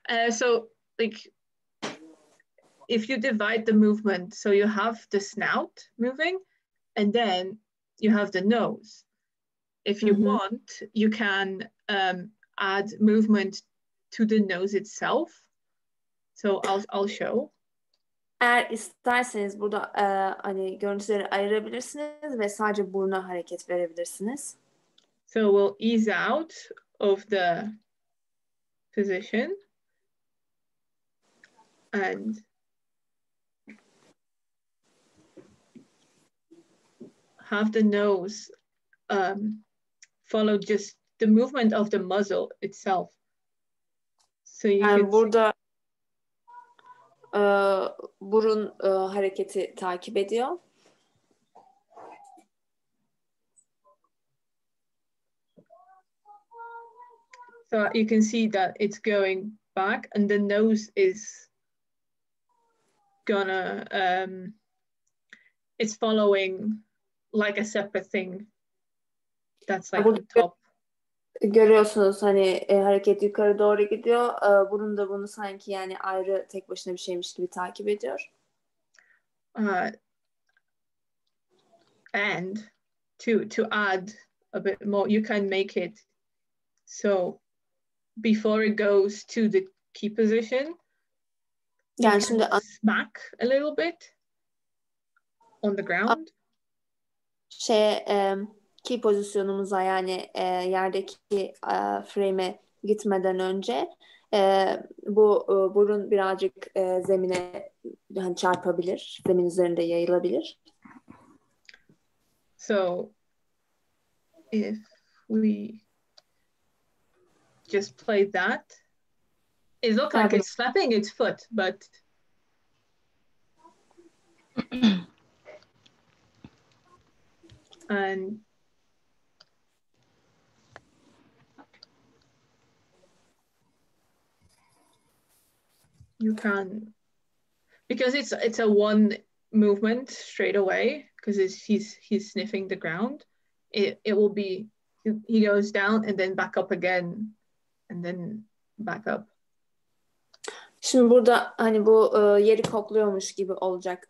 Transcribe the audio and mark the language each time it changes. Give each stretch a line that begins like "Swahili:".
English: So like if you divide the movement, so you have the snout moving and then you have the nose. If you want, you can add movement to the nose itself. So I'll show.
Turkish: Eğer isterseniz burada hani görüntüleri ayırabilirsiniz ve sadece buruna hareket verebilirsiniz.
English: So we'll ease out of the position. And have the nose follow just the movement of the muzzle itself. So you can
Turkish: burada burun hareketi takip ediyor.
English: So you can see that it's going back and the nose is gonna it's following like a separate thing that's like the top.
Turkish: Görüyorsunuz hani hareket yukarı doğru gidiyor. Bunun da bunu sanki yani ayrı tek başına bir şeymiş gibi takip ediyor.
English: And to add a bit more, you can make it so before it goes to the key position.
Turkish: Yani şimdi
English: smack a little bit on the ground.
Turkish: Şey, key pozisyonumuza yani yerdeki frame'e gitmeden önce bu burun birazcık zemine yani çarpabilir, zemin üzerinde yayılabilir.
English: So if we just play that, it looks like it's slapping its foot, but and you can, because it's a one movement straight away, because he's sniffing the ground, it will be, he goes down and then back up again and then back up.
Turkish: Şimdi burada hani bu yeri kokluyormuş gibi olacak.